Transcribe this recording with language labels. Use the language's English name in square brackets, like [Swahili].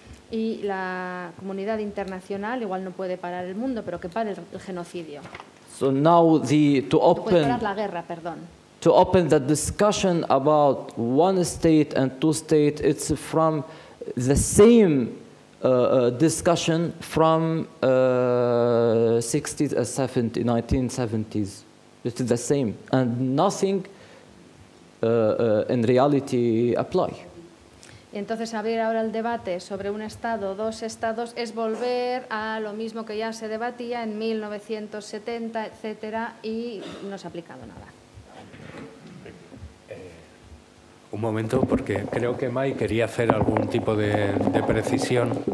[Spanish] Y la comunidad internacional igual no puede parar el mundo, pero que pare el genocidio. [English] So now [Spanish] puede parar la guerra, perdón. [English] To open the discussion about one state and two states, it's from the same discussion from 1970s. It's the same, and nothing in reality apply. [Spanish] Y entonces abrir ahora el debate sobre un estado, dos estados, es volver a lo mismo que ya se debatía en 1970, etcétera, y no se ha aplicado nada. Un momento, porque creo que Mai quería hacer algún tipo de precisión.